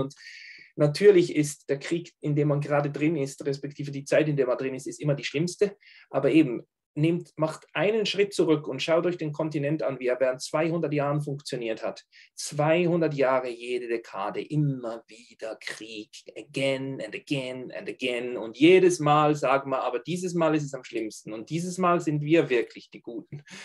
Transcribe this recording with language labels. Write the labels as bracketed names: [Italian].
[German] Und natürlich ist der Krieg, in dem man gerade drin ist, respektive die Zeit, in der man drin ist, ist immer die schlimmste. Aber eben, nehmt, macht einen Schritt zurück und schaut euch den Kontinent an, wie er während 200 Jahren funktioniert hat. 200 Jahre, jede Dekade, immer wieder Krieg. [English] Again and again and again. [German] Und jedes Mal sagen wir, aber dieses Mal ist es am schlimmsten. Und dieses Mal sind wir wirklich die Guten.